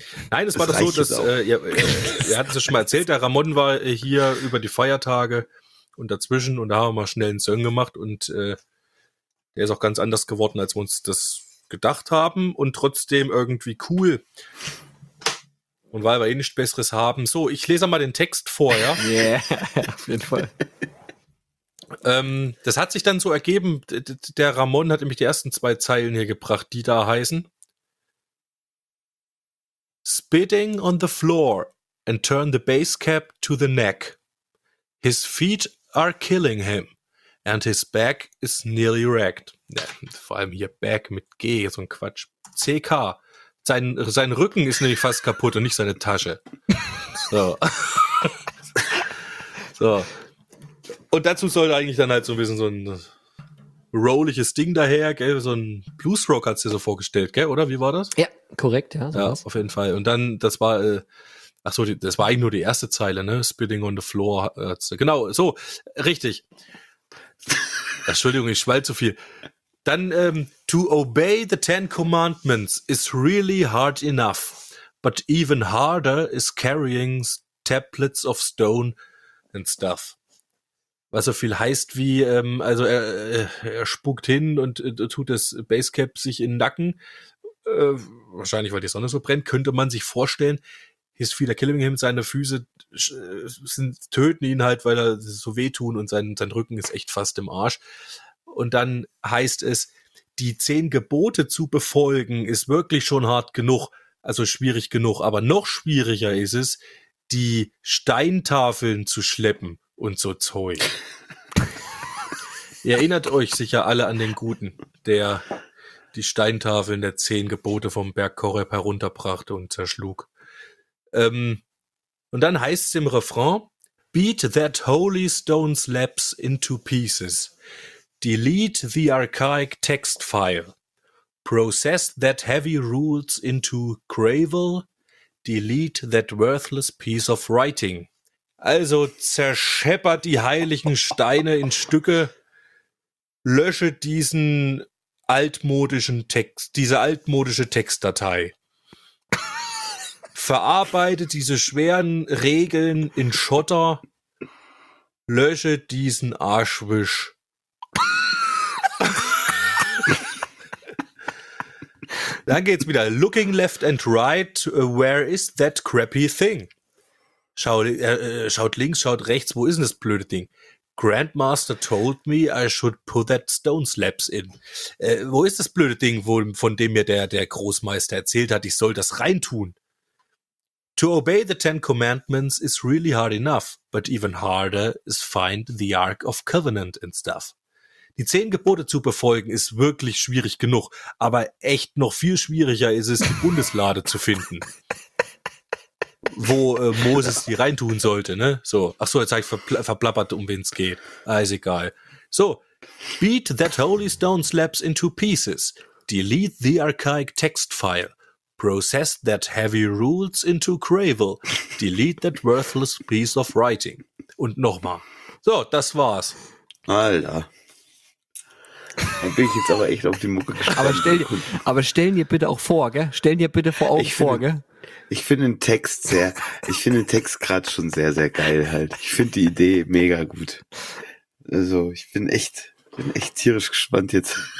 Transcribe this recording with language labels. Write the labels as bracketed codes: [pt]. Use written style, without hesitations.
[de] Nein, es war doch so, dass wir hatten es ja schon mal erzählt, der Ramon war hier über die Feiertage und dazwischen und da haben wir mal schnell einen Song gemacht und der ist auch ganz anders geworden, als wir uns das gedacht haben und trotzdem irgendwie cool. Und weil wir eh nichts Besseres haben. So, ich lese mal den Text vor, ja? Yeah, auf jeden Fall. Das hat sich dann so ergeben, der Ramon hat nämlich die ersten zwei Zeilen hier gebracht, die da heißen. [en] Spitting on the floor and turn the base cap to the neck. His feet are killing him and his back is nearly wrecked. [de] Ja, vor allem hier back mit G, so ein Quatsch. CK. Sein Rücken ist nämlich fast kaputt und nicht seine Tasche. So. Und dazu sollte eigentlich dann halt so ein bisschen so ein rolliges Ding daher, gell, so ein Bluesrock hat's dir so vorgestellt, gell, oder? Wie war das? Ja, korrekt, ja. So ja, was. Auf jeden Fall. Und dann, das war, das war eigentlich nur die erste Zeile, ne? [en] Spitting on the floor. [de] Genau, so, richtig. Entschuldigung, ich schwall zu viel. Dann, [en] to obey the Ten Commandments is really hard enough. but even harder is carrying tablets of stone and stuff. [de] Was so viel heißt wie, also er spuckt hin und tut das Basecap sich in den Nacken. Wahrscheinlich, weil die Sonne so brennt, könnte man sich vorstellen, ist viel der [en] Killing Him, [de] seine Füße sind, töten ihn halt, weil er so wehtun und sein Rücken ist echt fast im Arsch. Und dann heißt es, die 10 Gebote zu befolgen, ist wirklich schon hart genug, also schwierig genug. Aber noch schwieriger ist es, die Steintafeln zu schleppen und so Zeug. Ihr erinnert euch sicher alle an den Guten, der die Steintafeln der 10 Gebote vom Berg Koreb herunterbrachte und zerschlug. Und dann heißt es im Refrain, [en] beat that holy stone slabs into pieces. Delete the archaic text file. Process that heavy rules into gravel. Delete that worthless piece of writing. [de] Also zerscheppert die heiligen Steine in Stücke. Lösche diesen altmodischen Text, diese altmodische Textdatei. Verarbeite diese schweren Regeln in Schotter. Lösche diesen Arschwisch. Dann geht's wieder. [en] Looking left and right, where is that crappy thing? [de] Schaut links, schaut rechts, wo ist denn das blöde Ding? [en] Grandmaster told me I should put that stone slabs in. [de] Wo ist das blöde Ding, von dem mir der Großmeister erzählt hat, ich soll das reintun? [en] To obey the 10 commandments is really hard enough, but even harder is find the Ark of Covenant and stuff. [de] Die 10 Gebote zu befolgen ist wirklich schwierig genug, aber echt noch viel schwieriger ist es, die Bundeslade zu finden. Wo Moses die reintun sollte, ne? So, ach so, jetzt habe ich verplappert, um wen es geht. Ist egal. So, [en] beat that holy stone slabs into pieces. Delete the archaic text file. Process that heavy rules into gravel. Delete that worthless piece of writing. [de] Und nochmal. So, das war's. Alter. Da bin ich jetzt aber echt auf die Mucke gespannt. Aber stell dir bitte auch vor, gell? Stell dir bitte vor Augen vor, gell? Ich finde den Text gerade schon sehr, sehr geil halt. Ich finde die Idee mega gut. Also, ich bin echt tierisch gespannt jetzt.